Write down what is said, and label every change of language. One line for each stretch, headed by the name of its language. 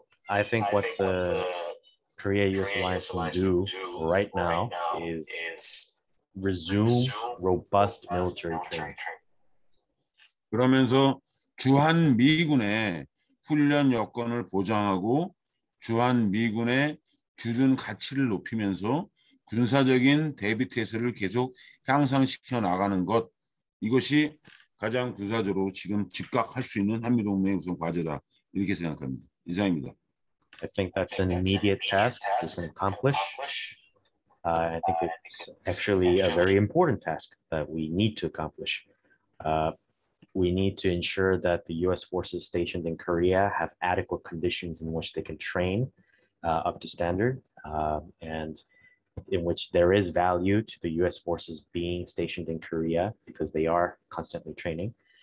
English: I think what the Korea-US alliance can do right now is resume robust military training.
Korean: 그러면서 주한 미군의 훈련 여건을 보장하고 주한 미군의 주둔 가치를 높이면서 군사적인 대비 태세를 계속 향상시켜 나가는 것 이것이 가장 군사적으로 지금 즉각 할 수 있는 한미 동맹의 우선 과제다 이렇게 생각합니다. 이상입니다.
English: I think that's an immediate task we can accomplish. I think it's actually a very important task that we need to accomplish. We need to ensure that the US forces stationed in Korea have adequate conditions in which they can train up to standard and in which there is value to the US forces being stationed in Korea because they are constantly training.